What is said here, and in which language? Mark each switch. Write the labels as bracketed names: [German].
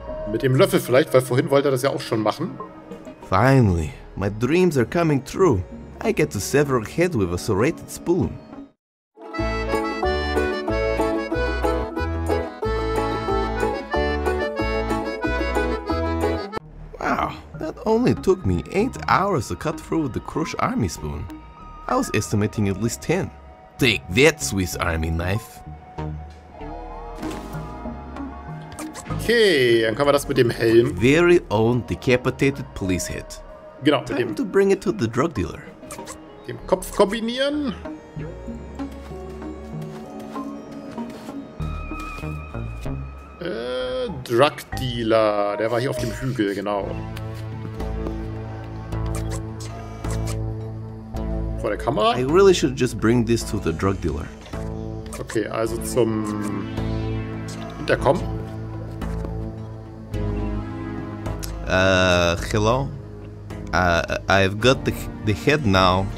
[German] Mit dem Löffel vielleicht, weil vorhin wollte er das ja auch schon machen. [English] Finally. My dreams are coming true. I get to sever a head with a serrated spoon. Wow, that only took me 8 hours to cut through with the crush army spoon. I was estimating at least 10. Take that, Swiss Army knife! [German] Okay, dann können wir das mit dem Helm. [English] Very own decapitated police head. [German] Genau, [English] time to bring it to the drug dealer. [German] Dem Kopf kombinieren. Drug dealer, der war hier auf dem Hügel, genau. Vor der Kamera. [English] I really should just bring this to the drug dealer. [German] Okay, also zum Intercom. [English] Hello? I've got the head now.